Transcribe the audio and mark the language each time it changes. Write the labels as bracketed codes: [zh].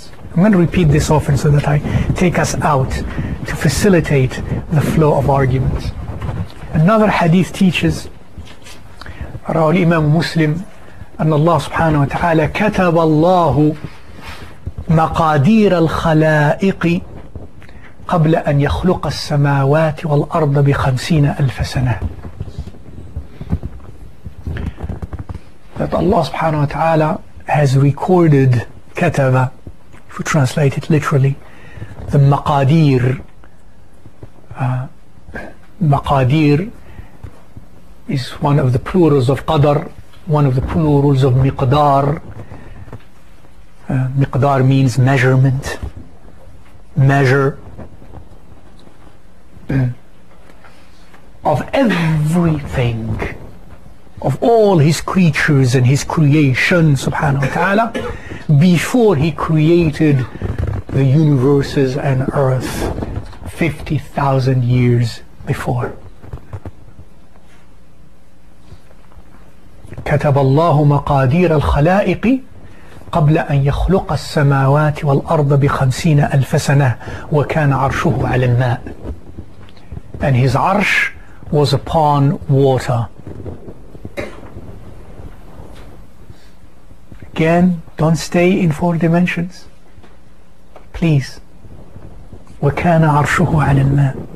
[en] I'm going to repeat this often so that I take us out to facilitate the flow of arguments. Another hadith teaches, [ar] رأى الإمام مسلم أن الله سبحانه وتعالى كتب الله مقادير الخلائق قبل أن يخلق السماوات والأرض بخمسين ألف سنة. [en] That Allah [ar] سبحانه وتعالى [en] has recorded, كتب, if we translate it literally, the maqadir. Maqadir is one of the plurals of qadar, one of the plurals of miqdar. Miqdar means measurement, measure of everything, of all his creatures and his creation, subhanahu wa ta'ala, before he created the universes and earth 50,000 years before. [ar] كتب الله مقادير الخلائق قبل أن يخلق السماوات والأرض بخمسين ألف سنة وكان عرشه على الماء. [en] And his arsh was upon water. Again, don't stay in four dimensions. Please. [ar] وَكَانَ عَرْشُهُ عَلَى الْمَاءِ.